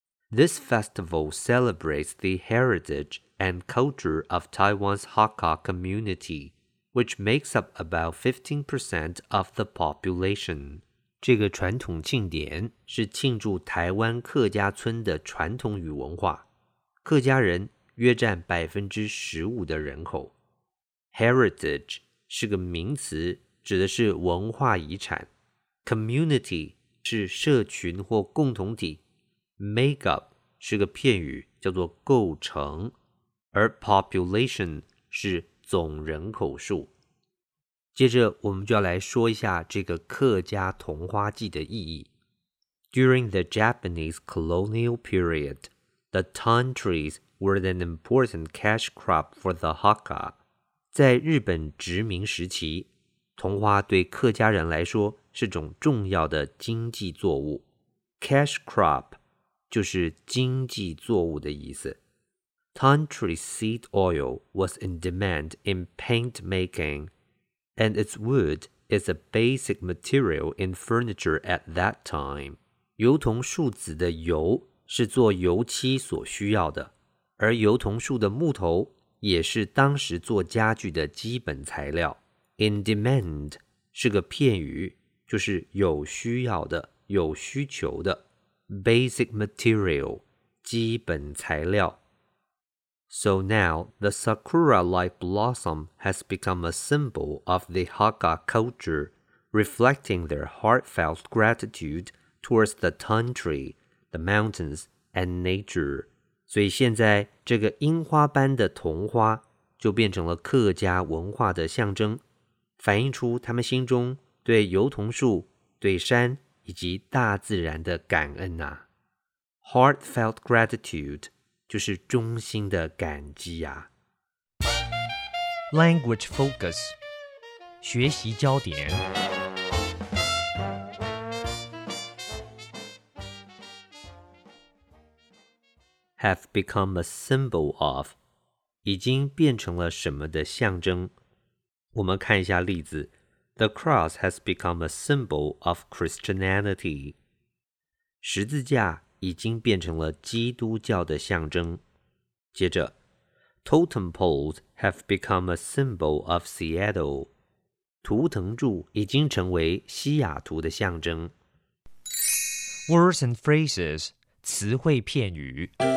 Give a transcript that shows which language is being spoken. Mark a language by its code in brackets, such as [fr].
[en] This festival celebrates the heritage and culture of Taiwan's Hakka community, which makes up about 15% of the population. [zh] 这个传统庆典是庆祝台湾客家村的传统与文化。客家人约占 15% 的人口。 Heritage 是个名词，指的是文化遗产。 Community 是社群或共同体。 Make up 是个片语，叫做构成，而 population 是总人口数。接着我们就要来说一下这个客家桐花季的意义。 [en] During the Japanese colonial period, the tun trees were an important cash crop for the Hakka. [zh] 在日本殖民时期，桐花对客家人来说是种重要的经济作物。 Cash crop就是经济作物的意思。 [en] Tun tree seed oil was in demand in paint making, and its wood is a basic material in furniture at that time. [zh] 油桐树籽的油是做油漆所需要的，而油桐树的木头也是当时做家具的基本材料。 In demand 是个片语，就是有需要的，有需求的。 Basic material, 基本材料。 [en] So now, the sakura-like blossom has become a symbol of the Hakka culture, reflecting their heartfelt gratitude towards the tun tree, the mountains, and nature. [zh] 所以现在这个樱花般的桐花就变成了客家文化的象征，反映出他们心中对油桐树、对山以及大自然的感恩啊。 Heartfelt gratitude 就是衷心的感激啊。 Language focus 学习焦点。 [en] Have become a symbol of [zh] 已经变成了什么的象征。我们看一下例子。 [en] The cross has become a symbol of Christianity. [zh] 十字架已经变成了基督教的象征。 [en] 接着 ,Totem poles have become a symbol of Seattle. [zh] 图腾柱已经成为西雅图的象征。 [en] Words and phrases, [zh] 词汇片语。